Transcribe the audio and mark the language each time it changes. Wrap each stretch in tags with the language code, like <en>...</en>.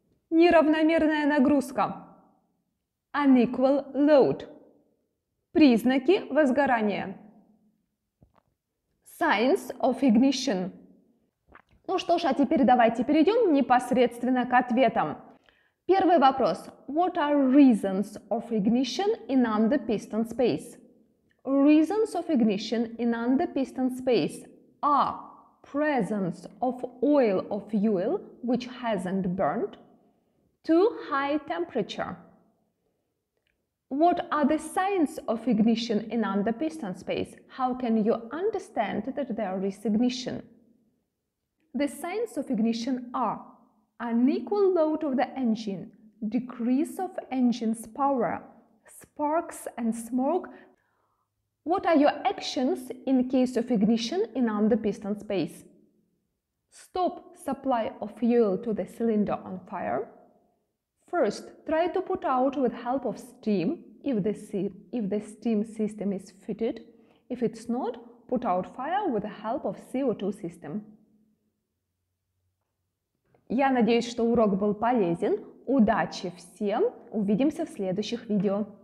<ru>Неравномерная нагрузка, unequal load. Признаки возгорания.</ru> <en>Signs of ignition.</en> <ru>Ну что ж, а теперь давайте перейдем непосредственно к ответам. Первый вопрос.</ru> <en>What are reasons of ignition in underpiston space? Reasons of ignition in underpiston space are presence of oil or fuel which hasn't burned, too high temperature. What are the signs of ignition in underpiston space? How can you understand that there is ignition? The signs of ignition are unequal load of the engine, decrease of engine's power, sparks and smoke. What are your actions in case of ignition in underpiston space? Stop supply of fuel to the cylinder on fire. First, try to put out with help of steam. If the steam system is fitted, if it's not, put out fire with the help of CO2 system.</en> <ru>Я надеюсь, что урок был полезен. Удачи всем! Увидимся в следующих видео!</ru>